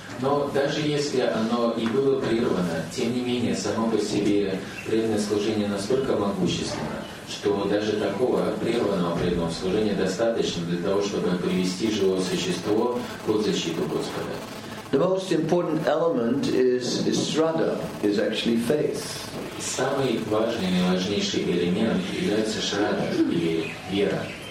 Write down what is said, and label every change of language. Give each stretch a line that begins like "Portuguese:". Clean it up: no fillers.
Russian: Но даже если оно и было прервано, тем не менее само по себе преданное служение настолько могущественно, что даже такого прерванного преданного служения достаточно для того, чтобы привести живое существо под защиту Господа.
English: The most important element is Shraddha, is actually faith.
Russian: Самый важный и важнейший элемент является Шрадда или вера.